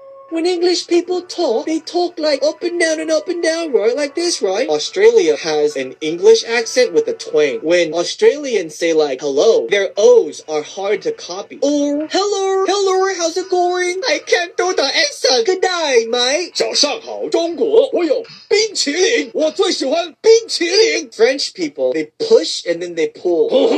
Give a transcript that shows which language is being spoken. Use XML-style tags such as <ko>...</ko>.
<en>When English people talk, they talk like up and down and up and down, right? Like this, right? Australia has an English accent with a twang. When Australians say like hello, their O's are hard to copy. Or hello, hello, how's it going? I can't do the accent. Good night, mate.</en> <zh>早上好，中国。我有冰淇淋，我最喜欢冰淇淋。</zh> <en>French people, they push and then they pull.</en>